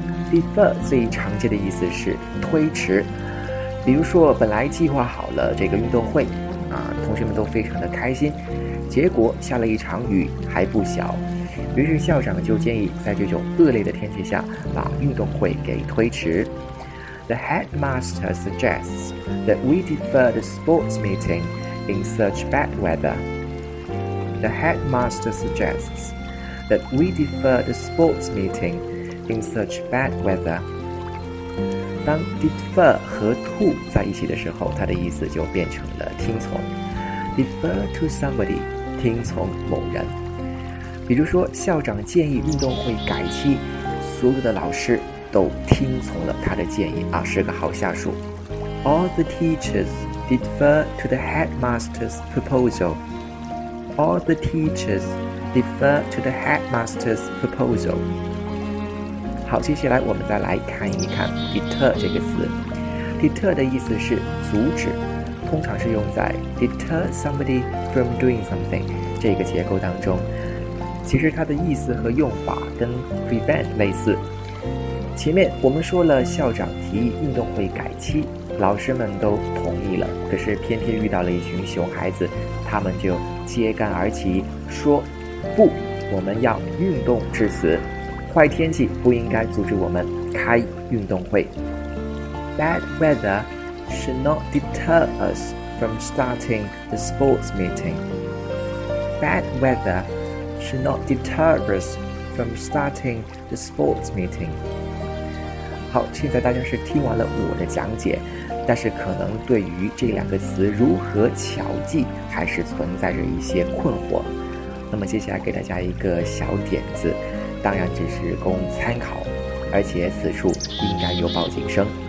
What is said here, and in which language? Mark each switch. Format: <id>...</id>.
<zh>defer 最常见的意思是推迟，比如说本来计划好了这个运动会啊，同学们都非常的开心，结果下了一场雨还不小，于是校长就建议在这种恶劣的天气下把运动会给推迟。</zh> <en>The headmaster suggests that we defer the sports meeting in such bad weather. The headmaster suggests that we defer the sports meetingIn such bad weather.</en> <zh>当 defer 和 to 在一起的时候，它的意思就变成了听从。</zh> <en>defer to somebody，</en> <zh>听从某人。比如说校长建议运动会改期，所有的老师都听从了他的建议啊，是个好下属。</zh> <en>All the teachers defer to the headmaster's proposal. All the teachers defer to the headmaster's proposal.</en> <zh>好，接下来我们再来看一看 deter 这个词。deter 的意思是阻止，通常是用在</zh> <en>deter somebody from doing something</en> <zh>这个结构当中。其实它的意思和用法跟 prevent 类似。前面我们说了校长提议运动会改期，老师们都同意了，可是偏偏遇到了一群熊孩子，他们就揭竿而起说不，我们要运动至死，坏天气不应该阻止我们开运动会。</zh> <en>Bad weather should not deter us from starting the sports meeting. Bad weather should not deter us from starting the sports meeting.</en> <zh>好，现在大家是听完了我的讲解，但是可能对于这两个词如何巧记还是存在着一些困惑。那么接下来给大家一个小点子，当然只是供参考，而且此处应该有报警声。</zh>